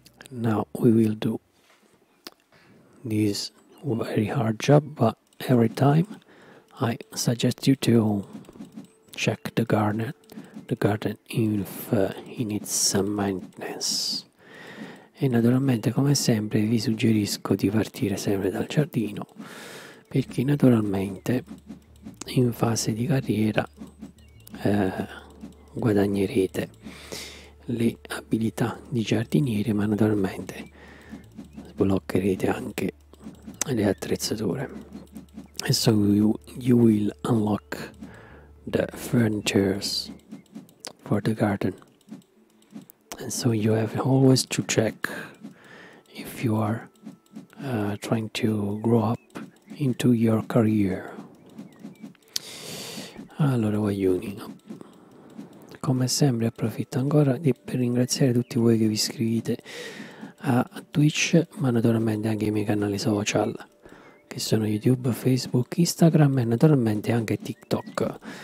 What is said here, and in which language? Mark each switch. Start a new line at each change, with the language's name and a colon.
English: Now we will do this very hard job, but every time I suggest you to check the garden, if it needs some maintenance.
Italian: E naturalmente, come sempre, vi suggerisco di partire sempre dal giardino, perché naturalmente in fase di carriera guadagnerete le abilità di giardiniere, ma naturalmente sbloccherete anche le attrezzature.
English: And so you will unlock the furnitures for the garden, and so you have always to check if you are trying to grow up into your career.
Italian: Allora guaglioni, come sempre approfitto ancora per ringraziare tutti voi che vi iscrivete a Twitch, ma naturalmente anche ai miei canali social, che sono YouTube, Facebook, Instagram e naturalmente anche TikTok.